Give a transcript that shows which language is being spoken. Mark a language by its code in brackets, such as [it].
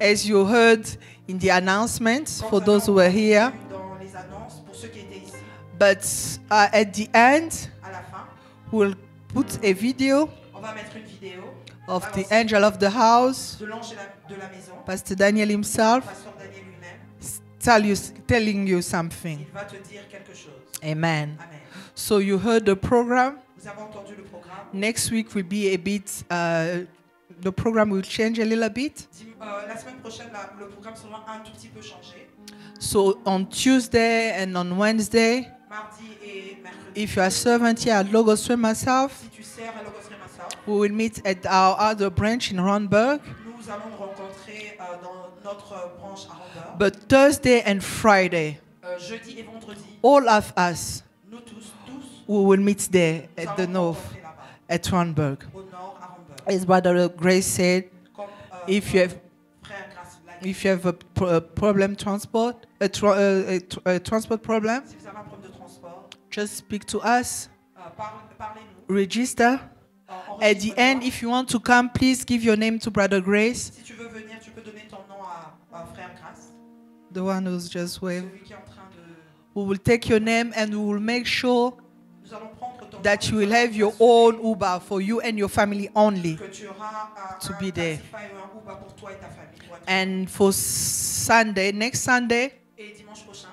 [en] As you heard in the announcement, for those who were here, [fr] dans les annonces, pour ceux qui étaient ici. [en] But at the end, [fr] à la fin, [en] we'll put a video. [fr] On va mettre une vidéo. [en] Of the angel of the house, [fr] de l'ange de la maison, [en] Pastor Daniel himself, [fr] Pastor Daniel lui-même, [en] telling you something. [fr] Il va te dire quelque chose. Amen. Amen. [en] So you heard the program. [fr] Vous avez entendu le programme. [en] Next week will be a bit, the program will change a little bit. [fr] La semaine prochaine, le programme sera un tout petit peu changé. [en] So on Tuesday and on Wednesday, [fr] mardi et mercredi, [en] if you are servant here at Logos Rhema myself, [fr] si tu sers à Logos Rhema, [en] we will meet at our other branch in Randburg. [fr] Nous allons rencontrer dans notre branche à Randburg. [en] But Thursday and Friday, [fr] jeudi et vendredi, [en] all of us, [fr] nous tous, [en] we will meet there at [fr] nous [en] the north, at Randburg. [fr] Au nord, à Randburg. [en] As Brother Grace said, if you have a problem transport, transport problem, [fr] si vous avez un problème de transport, [en] just speak to us, [fr] parlez-nous. [en] Register. At the end, if you want to come, please give your name to Brother Grace. [fr] Si tu veux venir, tu peux donner ton nom à Frère Grace. [en] The one who's just waved. [fr] Celui qui est en train de... [en] We will take your name and we will make sure [fr] nous allons prendre ton [en] that you will have your own Uber for you and your family only [fr] que tu auras [en] to be there. [fr] Pour toi et ta famille, toi [en] and for Sunday, next Sunday, [fr] et dimanche prochain,